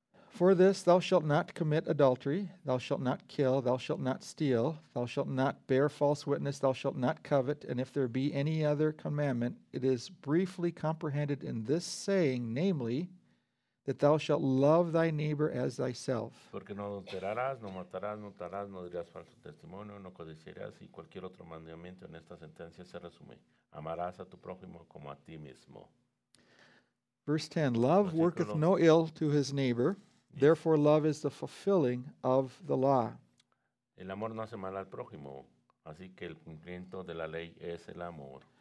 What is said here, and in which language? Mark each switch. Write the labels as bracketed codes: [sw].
[en] For this thou shalt not commit adultery, thou shalt not kill, thou shalt not steal, thou shalt not bear false witness, thou shalt not covet, and if there be any other commandment, it is briefly comprehended in this saying, namely, that thou shalt love thy neighbor as thyself. [es] Porque no adulterarás, no matarás, no darás, no dirás falso testimonio, no codiciarás, y cualquier otro mandamiento en esta sentencia se resume. Amarás a tu prójimo como a ti mismo. [en] Verse 10, love worketh no ill to his neighbor, therefore love is the fulfilling of the law. [es] El amor no hace mal al prójimo, así que el cumplimiento de la ley es el amor.